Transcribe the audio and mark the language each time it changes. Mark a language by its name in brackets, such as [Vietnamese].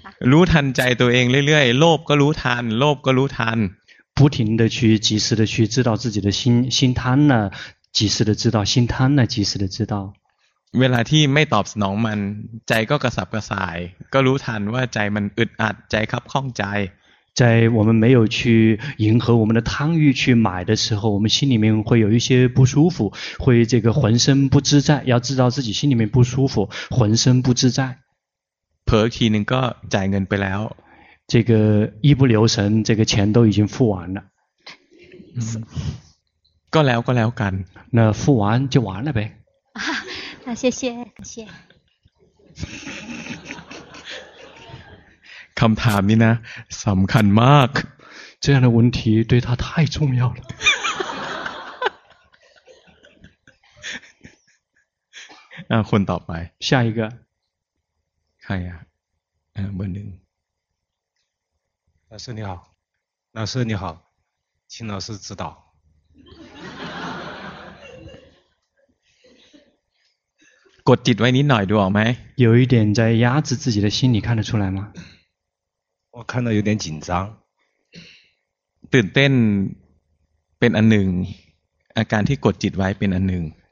[Thai] รู้ทันใจตัวเองเรื่อยๆโลภก็รู้ทันโลภก็รู้ทัน [Chinese] 不停的去及时的去知道自己的心心贪了及时的知道心贪了及时的知道 [Thai] เวลาที่ไม่ตอบสนองมันใจก็กระสับกระส่ายก็รู้ทันว่าใจมันอึดอัดใจคับข้องใจ [Chinese] 在我们没有去迎合我们的贪欲去买的时候我们心里面会有一些不舒服会这个浑身不自在要知道自己心里面不舒服浑身不自在 [Thai] เผลอทีนึงก็จ่ายเงินไปแล้ว [Chinese] 这个一不留神这个钱都已经付完了 [Thai] ก็แล้วก็แล้วกัน [Chinese] 那付完就完了呗啊那谢谢感谢 [Thai] คำถามนี้นะสำคัญมาก [Chinese] 这样的问题对他太重要了 [Thai] คนต่อไป ชายก็ ใครอ่ะเบอร์หนึ่ง [Chinese] 老师你好老师你好请老师指导 [Thai] กดจิตไว้นิดหน่อยดูออกไหม [Chinese] 有一点在压制自己的心你看得出来吗我看到有点紧张 [Thai] ตื่นเต้นเป็นอันหนึ่งอาการที่กดจิตไว้เป็นอันหนึ่ง